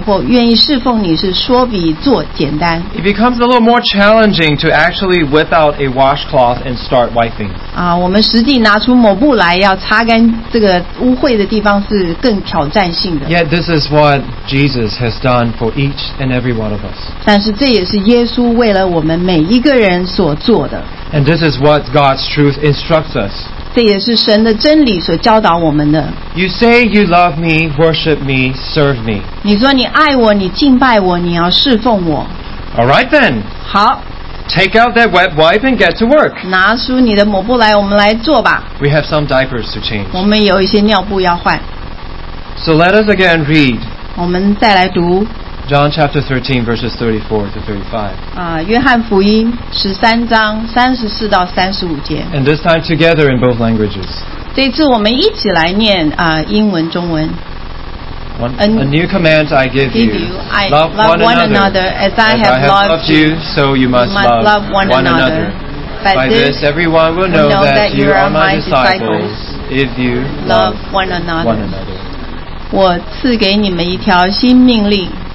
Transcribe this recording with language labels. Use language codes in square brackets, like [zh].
[zh] 这个我们说，神我爱你，我敬拜你，或愿意侍奉你，是说比做简单。 [en] It becomes a little more challenging to actually whip out a washcloth and start wiping. [zh] 我们实际拿出抹布来要擦干这个污秽的地方是更挑战性的。 [en] Yet this is what Jesus has done for each and every one of us. [zh] 但是这也是耶稣为了我们每一个人所做的。 [en] And this is what God's truth instructs us. [zh] 这也是神的真理所教导我们的。 [en] You say you love me, worship me, serve me. [zh] 你说你爱我，你敬拜我，你要侍奉我。 [en] All right then. [zh] 好。 [en] Take out that wet wipe and get to work. [zh] 拿出你的抹布来，我们来做吧。 [en] We have some diapers to change. [zh] 我们有一些尿布要换。 [en] So let us again read. [zh] 我们再来读。 [en] John chapter 13, verses 34 to 35. [zh] 约翰福音13章34到35节. [en] And this time together in both languages. [zh] 这次我们一起来念 英文中文. [en] A new command I give you. Love one another as I have loved you, so you must love one another. By this everyone will know that you are my disciples if you love one another. [zh] 我赐给你们一条新命令。